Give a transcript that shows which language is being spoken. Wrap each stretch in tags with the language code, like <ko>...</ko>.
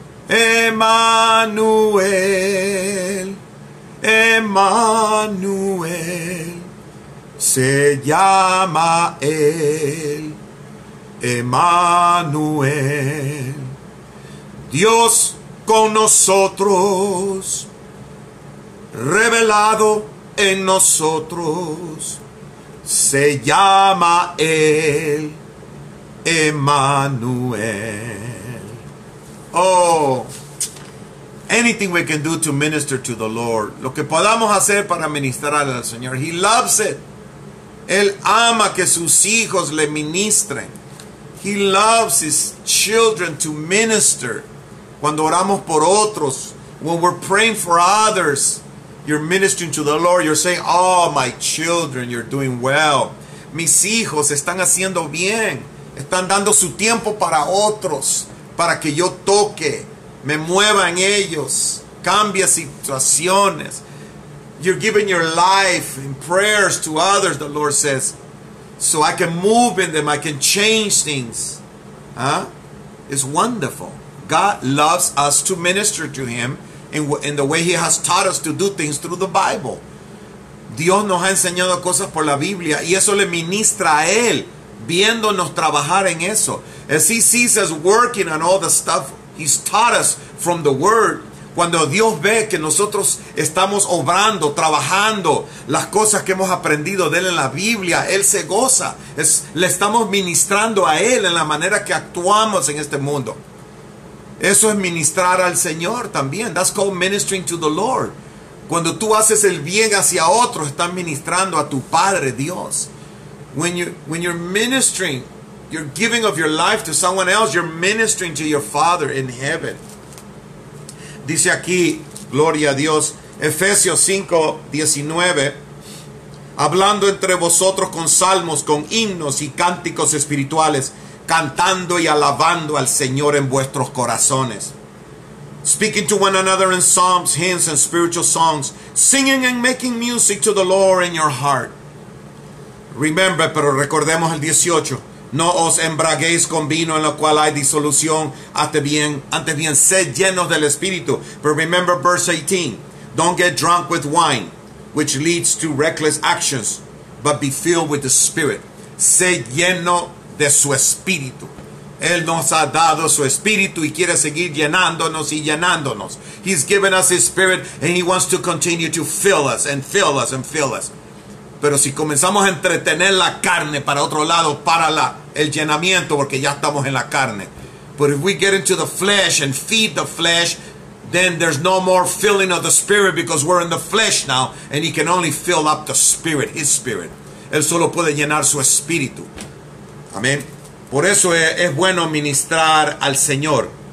<es>Emmanuel, Emmanuel, se llama él, Emmanuel, Dios con nosotros, revelado en nosotros, se llama él, Emmanuel.</es> <en>Oh, anything we can do to minister to the Lord.</en> <es>Lo que podamos hacer para ministrar al Señor.</es> <en>He loves it.</en> <es>Él ama que sus hijos le ministren.</es> <en>He loves his children to minister.</en> <es>Cuando oramos por otros,</es> <en>when we're praying for others, you're ministering to the Lord. You're saying, oh, my children, you're doing well.</en> <es>Mis hijos están haciendo bien. Están dando su tiempo para otros, para que yo toque, me mueva en ellos, cambie situaciones.</es> <en>You're giving your life in prayers to others, the Lord says, so I can move in them, I can change things. Huh? It's wonderful. God loves us to minister to Him in the way He has taught us to do things through the Bible.</en> <es>Dios nos ha enseñado cosas por la Biblia y eso le ministra a Él, viéndonos trabajar en eso.</es> <en>As He sees us working on all the stuff He's taught us from the Word,</en> <es>cuando Dios ve que nosotros estamos obrando, trabajando las cosas que hemos aprendido de Él en la Biblia, Él se goza. Le estamos ministrando a Él en la manera que actuamos en este mundo. Eso es ministrar al Señor también.</es> <en>That's called ministering to the Lord.</en> <es>Cuando tú haces el bien hacia otros, estás ministrando a tu Padre Dios.</es> <en>When you're ministering, you're giving of your life to someone else, you're ministering to your Father in heaven.</en> <es>Dice aquí, gloria a Dios, Efesios 5:19, hablando entre vosotros con salmos, con himnos y cánticos espirituales, cantando y alabando al Señor en vuestros corazones.</es> <en>Speaking to one another in psalms, hymns, and spiritual songs, singing and making music to the Lord in your heart. Remember,</en> <es>pero recordemos el 18, no os embraguéis con vino en lo cual hay disolución, antes bien, sed llenos del Espíritu.</es> <en>But remember verse 18, don't get drunk with wine, which leads to reckless actions, but be filled with the Spirit.</en> <es>Sed lleno de su Espíritu. Él nos ha dado su Espíritu y quiere seguir llenándonos y llenándonos.</es> <en>He's given us His Spirit and He wants to continue to fill us and fill us and fill us.</en> <es>Pero si comenzamos a entretener la carne para otro lado, para el llenamiento, porque ya estamos en la carne.</es> <en>But if we get into the flesh and feed the flesh, then there's no more filling of the Spirit because we're in the flesh now and He can only fill up the Spirit, His Spirit.</en> <es>Él solo puede llenar su Espíritu. Amén. Por eso es bueno ministrar al Señor.</es>